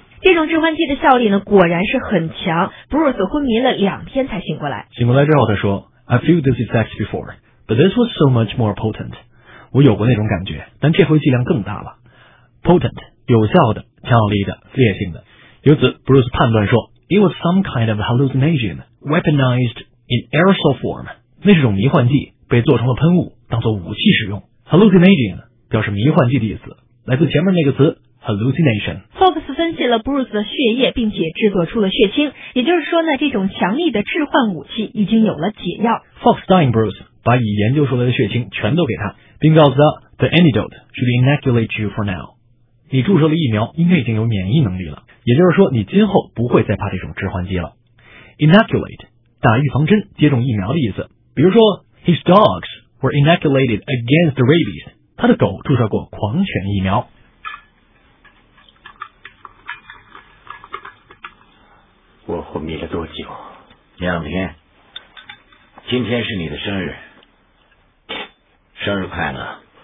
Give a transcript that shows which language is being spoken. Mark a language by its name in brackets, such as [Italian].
[Chinese] 这种致幻剂的效力呢，果然是很强。 Bruce 昏迷了两天才醒过来。醒过来之后，他说 [English] ，I feel these effects before, but this was so much more potent. [Chinese] 我有过那种感觉，但这回剂量更大了。 Potent， 有效的、强有力的、烈性的。由此 ，Bruce 判断说 ， [English] It was some kind of hallucination, weaponized. In aerosol form, [Chinese] 那是种迷幻剂，被做成了喷雾，当作武器使用。 Hallucinating 表示迷幻剂的意思，来自前面那个词 hallucination。 Fox 分析了 Bruce 的血液，并且制作出了血清，也就是说呢，这种强力的致幻武器已经有了解药。 Fox 答应 Bruce 把已研究出来的血清全都给他，并告诉他 ， [English] The antidote should inoculate you for now。 [Chinese] 你注射了疫苗，应该已经有免疫能力了，也就是说，你今后不会再怕这种致幻剂了。 Inoculate。打预防针，接种疫苗的意思。 [English] 比如说 ，his dogs were inoculated against the rabies. [Chinese] 他的狗注射过狂犬疫苗。我昏迷了多久？两天。今天是你的生日，生日快乐。